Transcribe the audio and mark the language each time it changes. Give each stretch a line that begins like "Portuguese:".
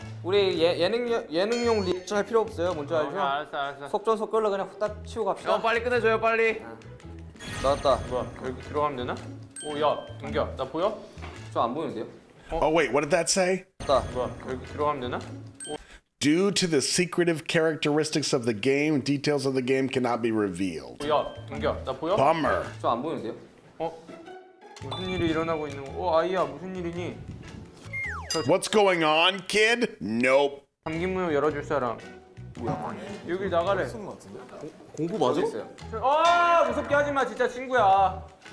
Korean: 우리 예능용 리액션 할 필요 없어요. 뭔지 알죠? 오케이, 알았어. 속전속결로 그냥 후딱 치고 갑시다. 형, 빨리 끝내줘요, 빨리. 아. 나왔다. 뭐야, 여기 들어가면 되나? 오, 야, 동기야, 나 보여? 저 안 보이는데요?
English: Oh, wait, what did that say?
Korean: 나왔다. 뭐야, 여기 들어가면 되나?
English: Due to the secretive characteristics of the game, details of the game cannot be revealed.
Korean: 오, 야, 동기야, 나 보여?
English: Bummer.
Korean: 저 안 보이는데요? 어? 무슨 일이 일어나고 있는 거? 오, 아이야, 무슨 일이니?
English: What's going on, kid? Nope.
Korean: 감기문 열어줄 사람. 여기 나가래. 공부 맞아? 있어요. 아, 무섭게 하지 마, 진짜 친구야.